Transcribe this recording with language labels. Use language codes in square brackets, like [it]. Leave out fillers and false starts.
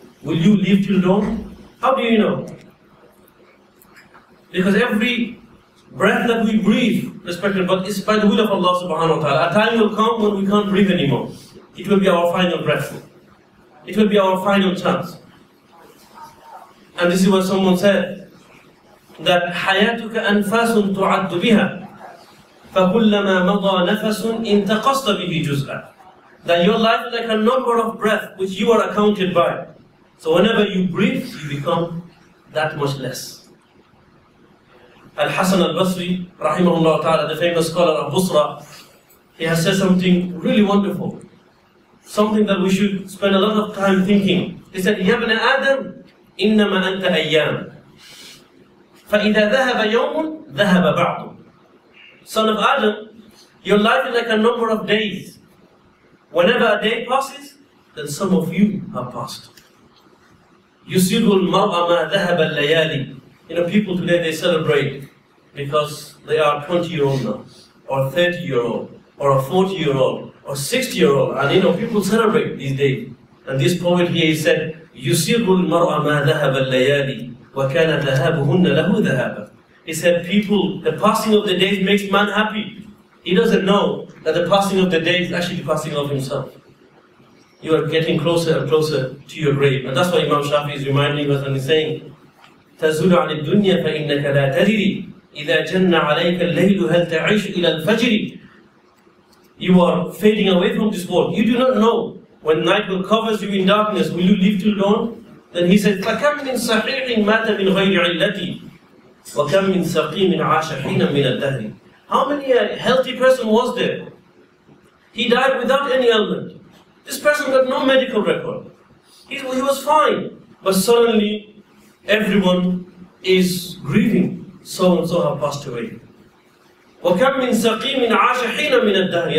[en] Will you live till dawn? How do you know? Because every breath that we breathe, respected, but it's by the will of Allah subhanahu wa ta'ala. A time will come when we can't breathe anymore. It will be our final breath. It will be our final chance. And this is what someone said, that [ar] حَيَاتُكَ أَنْفَاسٌ تُعَدُّ بِهَا فَكُلَّمَا مَضَى نَفَسٌ إِنْتَقَصْتَ بِهِ جُزْءًا. [en] That your life is like a number of breath which you are accounted by. So whenever you breathe, you become that much less. Al-Hasan al-Basri, rahimahullah ta'ala, the famous scholar of Busra, he has said something really wonderful. Something that we should spend a lot of time thinking. He said, [ar] يَا بْنَ آدَمْ إِنَّمَا أَنْتَ أَيَّامٌ فَإِذَا ذَهَبَ يَوْمٌ ذَهَبَ بَعْضٌ. [en] Son of Adam, your life is like a number of days. Whenever a day passes, then some of you have passed. [ar] يُسِرُّ الْمَرْءَ مَا ذَهَبَ اللَّيَالِي. [en] You know, people today, they celebrate because they are 20-year-old now, or 30-year-old, or a 40-year-old, or 60-year-old. And you know, people celebrate these days. And this poet here, he said, [ar] يُسِرُّ الْمَرْءَ مَا ذَهَبَ اللَّيَالِي وَكَانَ ذَهَبُهُنَّ لَهُ ذَهَبًا. [en] He said, people, the passing of the days makes man happy. He doesn't know that the passing of the day is actually the passing of himself. You are getting closer and closer to your grave. And that's why Imam Shafi is reminding us and he's saying, [ar] تَزُلُ عَنِ الدُّنْيَا فَإِنَّكَ لَا تَدِرِي إِذَا جَنَّ عَلَيْكَ اللَّيْلُ هَلْ تَعِيشُ إِلَى الْفَجْرِ. [en] You are fading away from this world. You do not know when night will cover you in darkness, will you live till dawn? Then he said, [ar] فَكَمْ مِنْ صَحِيحٍ مَاتَ مِنْ غَيْرِ عِلَّتِي وَكَمْ مِنْ سَقِيمٍ عَاشَ حِينًا مِنَ الدَّهْرِ. [en] How many a healthy person was there? He died without any ailment. This person got no medical record. He was fine. But suddenly, everyone is grieving. So and so have passed away. [ar] وَكَمْ مِنْ سَقِيمٍ عَاشَ حِينًا مِنَ الدَّهْرِ.